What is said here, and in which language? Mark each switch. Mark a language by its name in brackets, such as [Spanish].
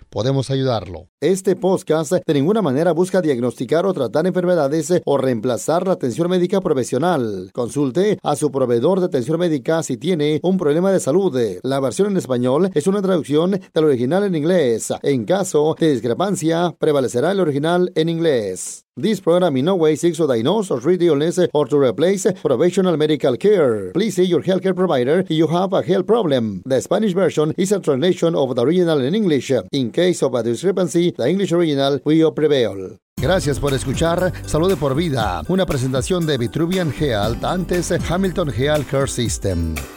[Spanish] Podemos ayudarlo. Este podcast de ninguna manera busca diagnosticar o tratar enfermedades o reemplazar la atención médica profesional. Consulte a su proveedor de atención médica si tiene un problema de salud. La versión en español es una traducción del original en inglés. En caso de discrepancia, prevalecerá el original en inglés. [English] This program in no way seeks to diagnose or treat illness or to replace professional medical care. Please see your healthcare provider if you have a health problem. The Spanish version is a translation of the original in English. In case of a discrepancy, the English original will prevail. [Spanish] Gracias por escuchar Salud de por Vida, una presentación de Vitruvian Health, antes Hamilton Healthcare System.